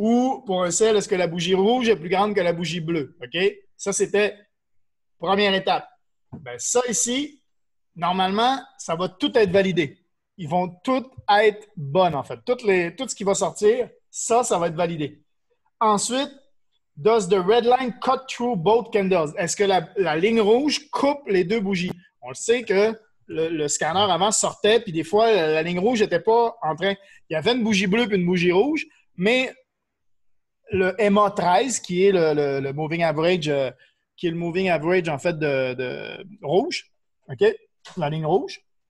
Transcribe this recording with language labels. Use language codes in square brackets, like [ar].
[fr] Ou, pour un sel, est-ce que la bougie rouge est plus grande que la bougie bleue? OK? Ça, c'était première étape. Bien, ça ici, normalement, ça va tout être validé. Ils vont toutes être bonnes, en fait. Tout ce qui va sortir, ça va être validé. Ensuite, [en] does the red line cut through both candles? [fr] Est-ce que la ligne rouge coupe les deux bougies? On le sait que le scanner avant sortait, puis des fois, la ligne rouge n'était pas en train. Il y avait une bougie bleue puis une bougie rouge, mais le MA13, qui est le moving average, qui est le moving average, en fait, de rouge, OK? La ligne rouge.